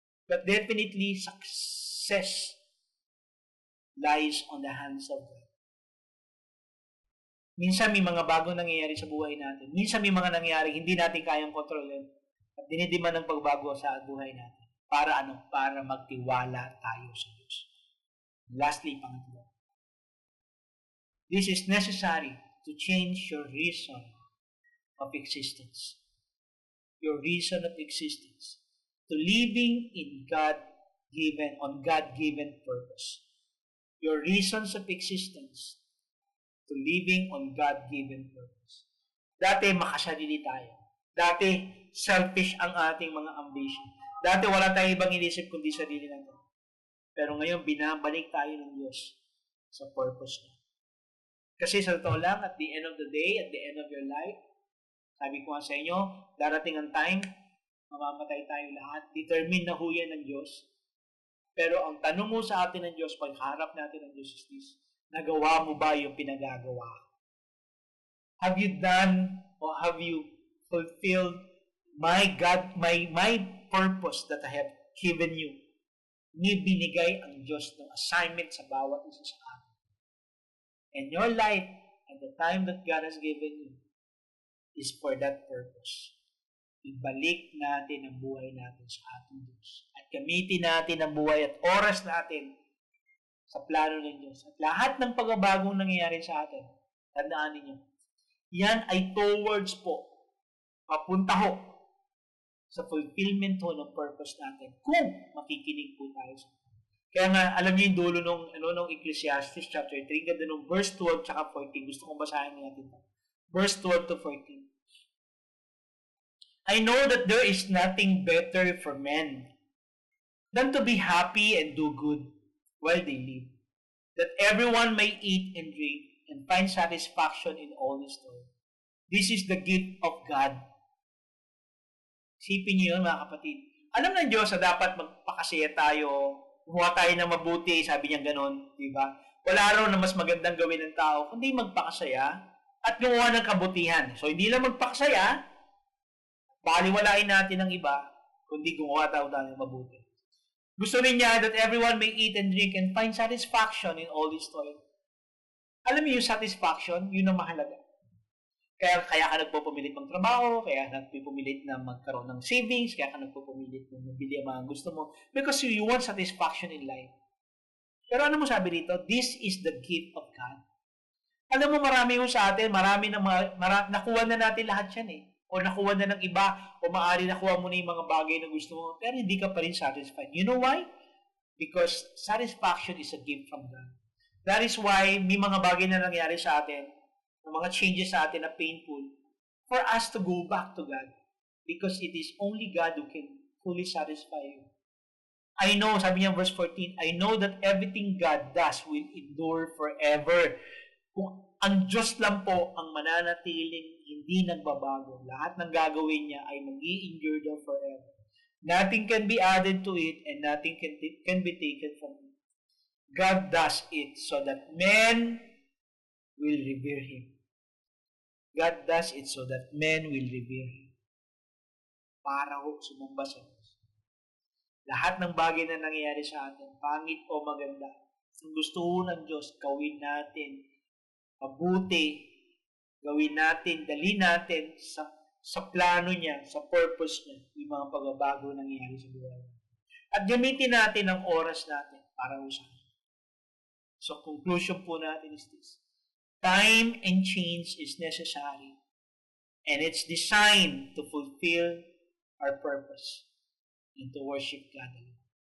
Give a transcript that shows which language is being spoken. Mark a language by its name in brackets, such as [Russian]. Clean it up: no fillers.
[English] But definitely, success lies on the hands of God. [Filipino] Minsan may mga bagong nangyayari sa buhay natin. Minsan may mga nangyayari, hindi natin kayang kontrolin. At dinidiman ng pagbago sa buhay natin. Para ano? Para magtiwala tayo sa Diyos. [English] Lastly, [Filipino] pangatlo. [English] This is necessary to change your reason of existence. Your reason of existence. To living in God-given, on God-given purpose. Your reasons of existence. To living on God-given purpose. [Filipino] Dati, makasarili tayo. Dati, selfish ang ating mga ambition. Dati, wala tayong ibang inisip kundi sarili natin. Pero ngayon, binabalik tayo ng Diyos sa purpose na. Kasi sa totoo lang, [English] at the end of the day, at the end of your life, [Filipino] sabi ko nga sa inyo, darating ang time, mamamatay tayo lahat. Determined na ho yan ng Diyos. Pero ang tanong mo sa atin ng Diyos, pagharap natin ng Diyos is this, nagawa mo ba yung pinagagawa? [English] Have you done or have you fulfilled my purpose that I have given you? [Filipino] May binigay ang Diyos ng assignment sa bawat isa sa atin. [English] And your life and the time that God has given you is for that purpose. [Filipino] Ibalik natin ang buhay natin sa ating Diyos. At gamitin natin ang buhay at oras natin sa plano ng Diyos. At lahat ng pagbabagong nangyayari sa atin, tandaan ninyo, yan ay towards po, papunta ho, sa fulfillment ho ng purpose natin kung makikinig po tayo sa atin. Kaya nga, alam niyo yung dulo nung Ecclesiastes chapter 3, ganda nung verse 12 tsaka 14, gusto kong basahin natin ito. [English] Verse 12 to 14. I know that there is nothing better for men than to be happy and do good while they live, that everyone may eat and drink and find satisfaction in all his toil. This is the gift of God. [Filipino] Isipin niyo yun, mga kapatid. Alam ng Diyos na dapat magpakasaya tayo, huwag tayo ng mabuti, sabi niya ganun, di ba? Wala raw na mas magandang gawin ng tao, kundi magpakasaya at gumawa ng kabutihan. So, hindi lang magpaksaya, baliwalain natin ang iba, kundi gumawa tayo ng mabuti. Gusto rin niya [English] that everyone may eat and drink and find satisfaction in all this toil. [Filipino] Alam niyo yung satisfaction, yun ang mahalaga. Kaya ka nagpupumilit ng trabaho, kaya nagpupumilit na magkaroon ng savings, kaya ka nagpupumilit na mabili ang mga gusto mo. [English] Because you want satisfaction in life. [Filipino] Pero ano mo sabi rito? [English] This is the gift of God. [Filipino] Alam mo, marami yun sa atin, marami na mga, nakuha na natin lahat yan eh. O nakuha na ng iba, o maaari nakuha mo na yung mga bagay na gusto mo, pero hindi ka pa rin satisfied. [English] You know why? Because satisfaction is a gift from God. That is why [Filipino] may mga bagay na nangyari sa atin, [English] mga changes sa atin na painful, for us to go back to God. Because it is only God who can fully satisfy you. I know, [Filipino] sabi niya [English] verse 14, I know that everything God does will endure forever. [Filipino] Kung ang Diyos lang po ang mananatiling hindi nagbabago, lahat ng gagawin niya ay mag-i-endure daw forever. [English] Nothing can be added to it and nothing can be taken from it. God does it so that men will revere Him. God does it so that men will revere Him. [Filipino] Para ho sumumba sa Diyos. Lahat ng bagay na nangyayari sa atin, pangit o maganda, ang gusto ho ng Diyos, gawin natin mabuti, gawin natin, dali natin sa plano niya, sa purpose niya, yung mga pagbabago na nangyayari sa buhay. At gamitin natin ang oras natin para usahin. [English] So conclusion po natin is this. Time and change is necessary and it's designed to fulfill our purpose and to worship God alone.